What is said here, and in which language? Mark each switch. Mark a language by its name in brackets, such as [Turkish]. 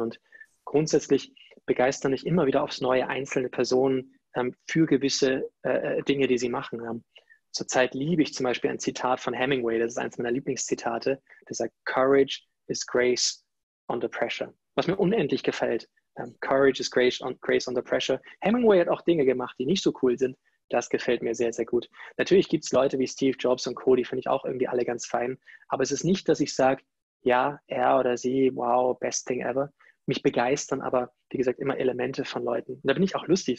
[German] Und grundsätzlich begeistern mich immer wieder aufs Neue einzelne Personen für gewisse Dinge, die sie machen. Zurzeit liebe ich zum Beispiel ein Zitat von Hemingway. Das ist eines meiner Lieblingszitate. Der sagt, [English] Courage is grace under pressure. [German] Was mir unendlich gefällt. [English] Courage is grace under pressure. [German] Hemingway hat auch Dinge gemacht, die nicht so cool sind. Das gefällt mir sehr, sehr gut. Natürlich gibt es Leute wie Steve Jobs und Co., die finde ich auch irgendwie alle ganz fein. Aber es ist nicht, dass ich sage, ja, er oder sie, wow, [English] best thing ever. [German] Mich begeistern aber, wie gesagt, immer Elemente von Leuten. Und da bin ich auch lustig.